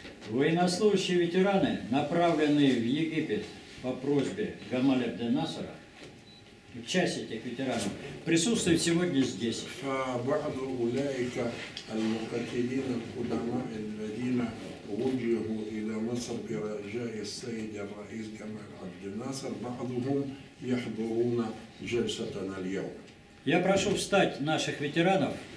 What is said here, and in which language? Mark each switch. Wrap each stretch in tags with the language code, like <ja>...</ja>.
<ru>Военнослужащие ветераны, направленные в Египет по просьбе Гамаля Абдельнасера, часть этих ветеранов присутствует сегодня здесь.</ru> <ar>فبعض أولئك المقاتلين القدماء الذين وجهوا إلى مصر برجاء السيد الرئيس جمال عبد الناصر بعضهم يحضرون جلستنا اليوم.</ar> <ru>Я прошу встать наших ветеранов.</ru>